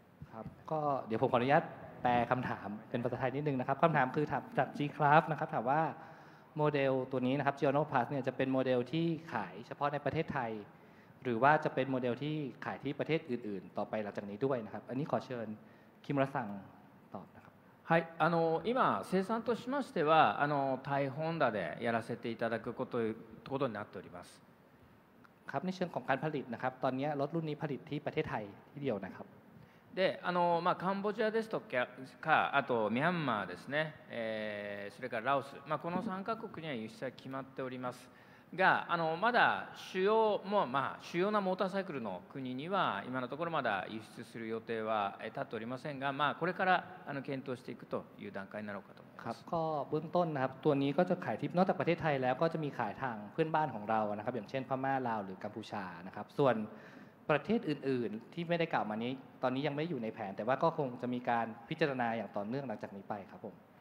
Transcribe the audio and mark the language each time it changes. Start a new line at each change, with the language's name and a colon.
Thai: ครับก็เดี๋ยวผมขออนุญาตแปลคำถามเป็นภาษาไทยนิดนึงนะครับคำถามคือถามจาก G Craft นะครับถามว่าโมเดลตัวนี้นะครับ Giono Plus เนี่ยจะเป็นโมเดลที่ขายเฉพาะในประเทศไทยหรือว่าจะเป็นโมเดลที่ขายที่ประเทศอื่นๆต่อไปหลังจากนี้ด้วยนะครับอันนี้ขอเชิญคิมระสังตอบนะครับ
Japanese: はい今生産としましてはタイホンダでやらせていただくことになっております
Thai: ครับในเชิงของการผลิตนะครับตอนนี้รถรุ่นนี้ผลิตที่ประเทศไทยที่เดียวนะครับ
Japanese: でまあ、カンボジアですとかあとミャンマーですね、それからラオス、まあ、この3カ国には輸出は決まっておりますがまだ主要も、まあ、主要なモーターサイクルの国には今のところまだ輸出する予定は立っておりませんが、まあ、これから検討していくという段階なのかと思います。
Thai: ครับก็เบื้องต้นนะครับตัวนี้ก็จะขายที่นอกจากประเทศไทยแล้วก็จะมีขายทางเพื่อนบ้านของเรานะครับอย่างเช่นพม่าลาวหรือกัมพูชานะครับส่วนประเทศอื่นๆที่ไม่ได้กล่าวมานี้ตอนนี้ยังไม่อยู่ในแผนแต่ว่าก็คงจะมีการพิจารณาอย่างต่อเนื่องหลังจากนี้ไปครับผม